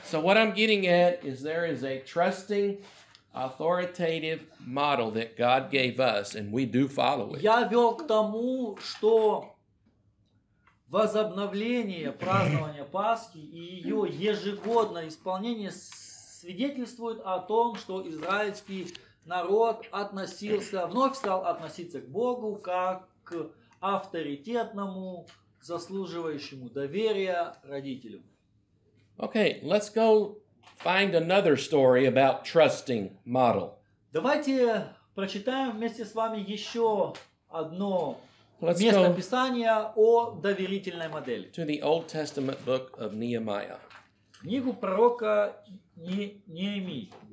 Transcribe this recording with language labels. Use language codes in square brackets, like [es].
[en] So what I'm getting at is there is a trusting, authoritative model that God gave us, and we do follow it. [ru] Я вел к тому, что возобновление празднования Пасхи и ее ежегодное исполнение свидетельствует о том, что израильский народ относился, вновь стал относиться к Богу как к авторитетному, заслуживающему доверия родителю. [en] Okay, let's go find another story about trusting model. [ru] Давайте прочитаем вместе с вами еще одно местописание о доверительной модели. [en] To the Old Testament book of Nehemiah. [ru] Книгу пророка Неемии.